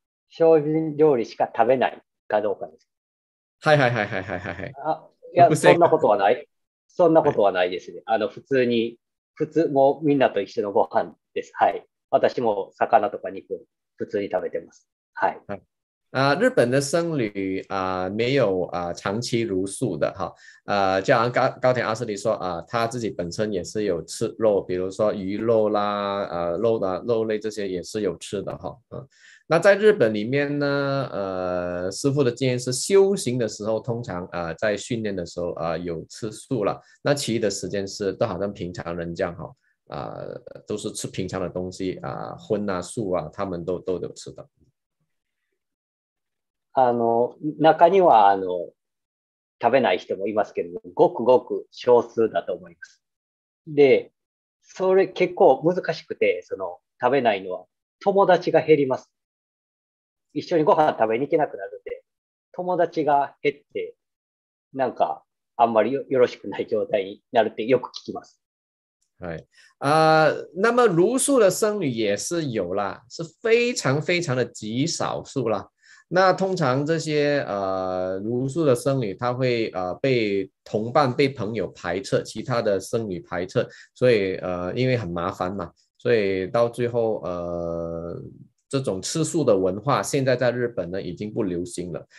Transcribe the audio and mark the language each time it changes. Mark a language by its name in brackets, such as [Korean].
[Japanese] 精進料理しか食べないかどうかです。はいはいはいはいはいはい。いや、そんなことはない。そんなことはないですね。普通に、普通もみんなと一緒のご飯です。はい。私も魚とか肉普通に食べてます。はい。 [Chinese] 日本的僧侣没有长期如素的哈。就像高田阿舍离说他自己本身也是有吃肉，比如说鱼肉啦，肉的肉类这些也是有吃的哈。那在日本里面呢，师父的建议是修行的时候通常在训练的时候有吃素了，那其余的时间是都好像平常人这样哈。都是吃平常的东西荤啊素啊他们都有吃的。 [Japanese] 中には食べない人もいますけど、ごくごく少数だと思います。で、それ結構難しくて、その食べないのは友達が減ります。一緒にご飯食べに行けなくなるんで、友達が減って、なんかあんまりよろしくない状態になるってよく聞きます。はい。 [Chinese] 那么如数的僧侣也是有啦，是非常非常的极少数啦。那通常这些如数的僧侣，他会被同伴、被朋友排斥，其他的僧侣排斥，所以因为很麻烦嘛，所以到最后这种吃素的文化现在在日本呢已经不流行了。